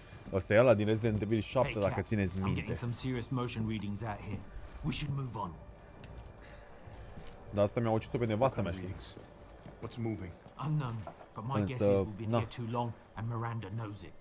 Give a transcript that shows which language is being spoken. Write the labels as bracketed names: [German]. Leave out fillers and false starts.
[Romanian] Asta e ala din Resident Evil 7, dacă țineți minte. [English] I'm getting some serious motion readings out here. We should move on. [Romanian] Dar asta mi-a ucis-o pe nevastă mea, știi? [English] What's moving? Unknown, but my guess is we've been here too long and Miranda knows it.